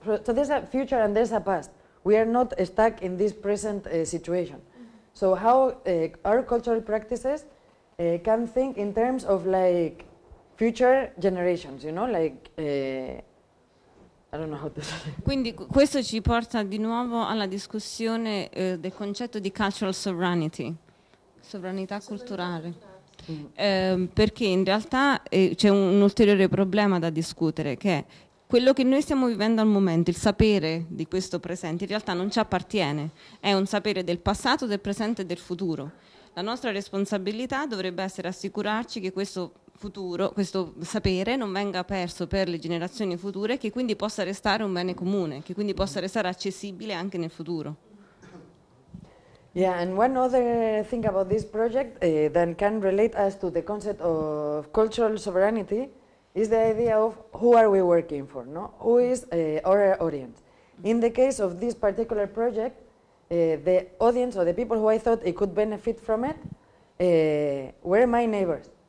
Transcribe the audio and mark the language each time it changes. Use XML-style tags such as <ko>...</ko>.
<en>So there's a future and there's a past. We are not stuck in this present situation. So how our cultural practices can think in terms of like future generations, you know, like I don't know how to say.</en> <it>Quindi questo ci porta di nuovo alla discussione del concetto di cultural sovereignty, sovranità culturale. Perché in realtà c'è un ulteriore problema da discutere, che è quello che noi stiamo vivendo al momento, il sapere di questo presente, in realtà non ci appartiene. È un sapere del passato, del presente e del futuro. La nostra responsabilità dovrebbe essere assicurarci che questo futuro, questo sapere, non venga perso per le generazioni future, che quindi possa restare un bene comune, che quindi possa restare accessibile anche nel futuro.</it> <en>Yeah, and one other thing about this project that can relate us to the concept of cultural sovereignty is the idea of who are we working for, no? Who is our audience? In the case of this particular project, the audience or the people who I thought it could benefit from it were my neighbors.</en>